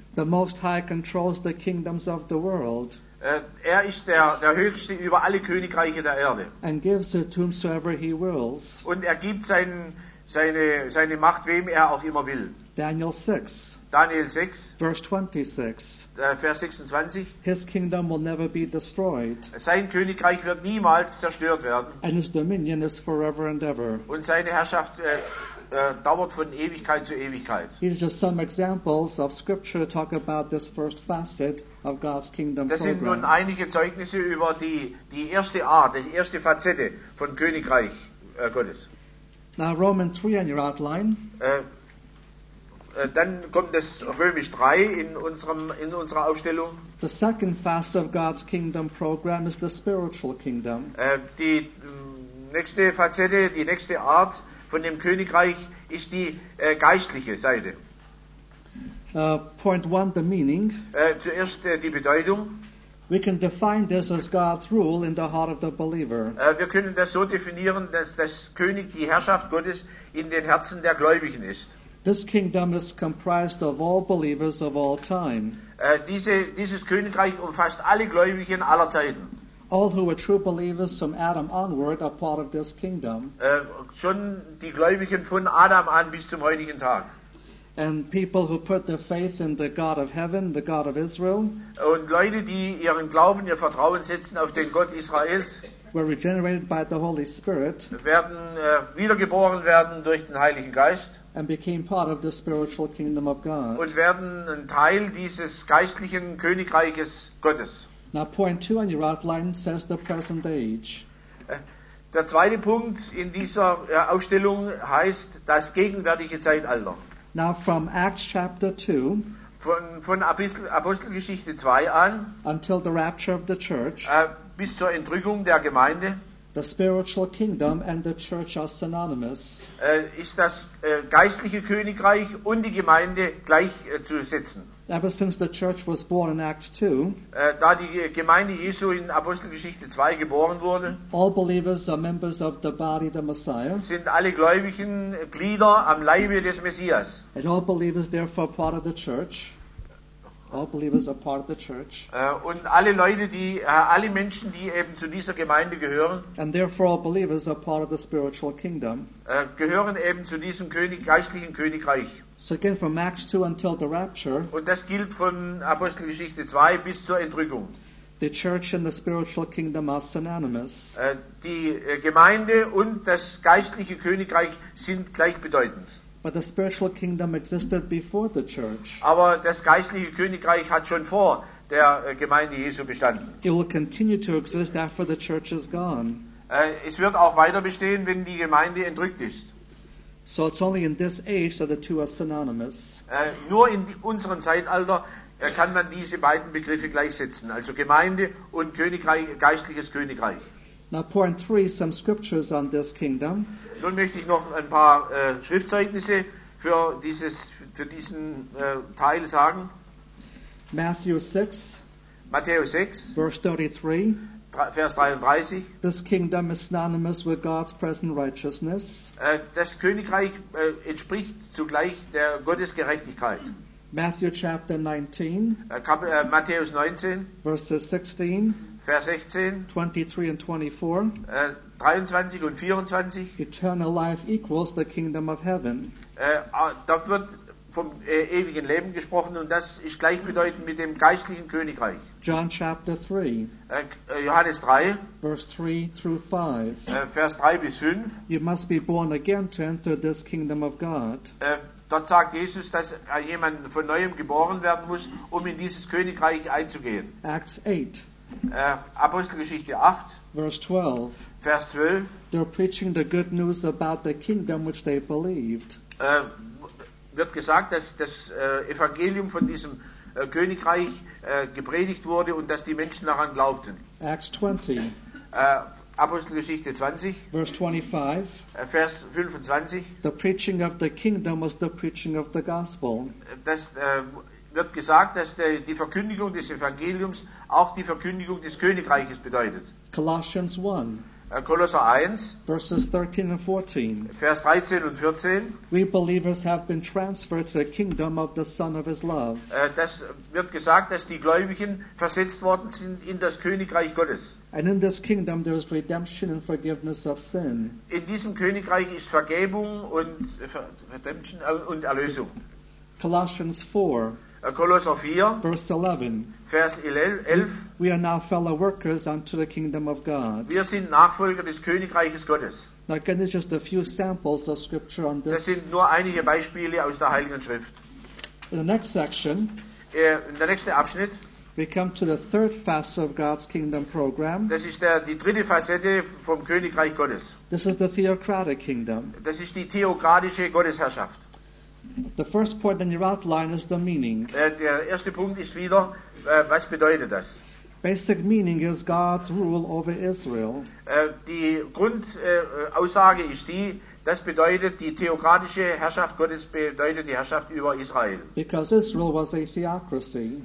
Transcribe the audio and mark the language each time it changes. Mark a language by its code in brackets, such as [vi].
[en] The Most High controls the kingdoms of the world. [de] Er ist der Höchste über alle Königreiche der Erde. [en] And gives it to whomsoever he wills. [de] Und er gibt seine Macht wem er auch immer will. [en] Daniel 6. [de] Daniel 6. [en] Verse 26. [de] Vers 26. [en] His kingdom will never be destroyed. [de] Sein Königreich wird niemals zerstört werden. [en] And his dominion is forever and ever. [de] Und seine Herrschaft dauert von Ewigkeit zu Ewigkeit. [en] These are just some examples of scripture to talk about this first facet of God's kingdom [de] program. Das sind nun einige Zeugnisse über die erste Art, die erste Facette von Königreich Gottes. [en] Now Roman 3 on your outline. [de] Dann kommt das Römisch 3 in unserer Aufstellung. [en] The second facet of God's kingdom program is the spiritual kingdom. [de] Die nächste Facette, die nächste Art von dem Königreich ist die geistliche Seite. [en] Point one, the meaning. [de] Zuerst die Bedeutung. [en] We can define this as God's rule in the heart of the believer. [de] Wir können das so definieren, dass das König die Herrschaft Gottes in den Herzen der Gläubigen ist. [en] This kingdom is comprised of all believers of all time. [de] Dieses Königreich umfasst alle Gläubigen aller Zeiten. [en] All who are true believers from Adam onward are part of this kingdom. [de] Schon die Gläubigen von Adam an bis zum heutigen Tag. [en] And people who put their faith in the God of heaven, the God of Israel. [de] Und Leute, die ihren Glauben, ihr Vertrauen setzen auf den Gott Israels. [en] Were regenerated by the Holy Spirit. [de] Werden wiedergeboren werden durch den Heiligen Geist. [en] And became part of the spiritual kingdom of God. [de] Und werden ein Teil dieses geistlichen Königreiches Gottes. [en] Now point two on your outline says the present age. [de] Der zweite Punkt in dieser Aufstellung heißt das gegenwärtige Zeitalter. [en] Now from Acts chapter 2. [de] Von Apostelgeschichte 2 an. [en] Until the rapture of the church. [de] Bis zur Entrückung der Gemeinde. [en] The spiritual kingdom and the church are synonymous. [de] Ist das geistliche Königreich und die Gemeinde gleichzusetzen. [en] Ever since the church was born in Acts 2, [de] da die Gemeinde Jesu in Apostelgeschichte 2 geboren wurde, [en] all believers are members of the body, the Messiah. [de] Sind alle Gläubigen Glieder am Leibe des Messias. [en] And all believers therefore part of the church. All believers are part of the church. [de] Und alle Leute, die alle Menschen, die eben zu dieser Gemeinde gehören, [en] and therefore all believers are part of the spiritual kingdom. [de] Gehören eben zu diesem geistlichen Königreich. [en] So again, from Acts 2 until the rapture. [de] Und das gilt von Apostelgeschichte 2 bis zur Entrückung. [en] The church and the spiritual kingdom are synonymous. [de] Die Gemeinde und das geistliche Königreich sind gleichbedeutend. [en] But the spiritual kingdom existed before the church. [de] Aber das geistliche Königreich hat schon vor der Gemeinde Jesu bestanden. [en] It will continue to exist after the church is gone. [de] Es wird auch weiter bestehen, wenn die Gemeinde entrückt ist. [en] So it's only in this age that the two are synonymous. [de] Nur in unserem Zeitalter kann man diese beiden Begriffe gleichsetzen, also Gemeinde und Königreich, geistliches Königreich. [en] Now point three, some scriptures on this kingdom. [de] Nun möchte ich noch ein paar Schriftzeugnisse für diesen Teil sagen. [en] Matthew 6. [de] Matthäus 6. [en] Verse 33. [de] Vers 33. [en] This kingdom is synonymous with God's present righteousness. [de] Das Königreich entspricht zugleich der Gottes Gerechtigkeit. [en] Matthew chapter 19. [de] Matthäus 19. [en] Verses 16. [de] Vers 16, [en] 23 and 24, [de] 23 und 24, [en] eternal life equals the kingdom of heaven. [de] Dort wird vom ewigen Leben gesprochen und das ist gleichbedeutend mit dem geistlichen Königreich. [en] John chapter 3, [de] Johannes 3, [en] verse 3 through 5, [de] Vers 3 bis 5, [en] you must be born again to enter this kingdom of God. [de] Dort sagt Jesus, dass jemand von neuem geboren werden muss, um in dieses Königreich einzugehen. [en] Acts 8. [de] Apostelgeschichte 8, [en] Verse 12. [de] Vers 12. [en] They're preaching the good news about the kingdom which they believed. [de] Wird gesagt, dass das Evangelium von diesem Königreich gepredigt wurde und dass die Menschen daran glaubten. [en] Acts 20. [de] Apostelgeschichte 20. [en] Verse 25. [de] Vers 25. [en] The preaching of the kingdom was the preaching of the gospel. [de] Das wird gesagt, dass die Verkündigung des Evangeliums auch die Verkündigung des Königreiches bedeutet. [en] Colossians 1. [de] Kolosser 1, [en] Verses 13 and 14. [de] Vers 13 und 14. [en] We believers have been transferred to the kingdom of the Son of His love. [de] Das wird gesagt, dass die Gläubigen versetzt worden sind in das Königreich Gottes. [en] And in this kingdom there is redemption and forgiveness of sin. [de] In diesem Königreich ist Vergebung und Erlösung. [en] Colossians 4. [de] Kolosser 4, [en] Verse 11. [de] Vers 11. [en] We are now fellow workers unto the kingdom of God. [de] Wir sind Nachfolger des Königreiches Gottes. [en] Now, again, there's just a few samples of scripture on this. [de] Das sind nur einige Beispiele aus der Heiligen Schrift. [en] In the next section, [de] in der nächste Abschnitt, [en] we come to the third facet of God's kingdom program. [de] Das ist die dritte Facette vom Königreich Gottes. [en] This is the theocratic kingdom. [de] Das ist die theokratische Gottesherrschaft. [en] The first point in your outline is the meaning. [de] Der erste Punkt ist wieder, was bedeutet das? [en] Basic meaning is God's rule over Israel. [de] Die Grundaussage ist die, das bedeutet, die theokratische Herrschaft Gottes bedeutet die Herrschaft über Israel. [en] Because Israel was a theocracy.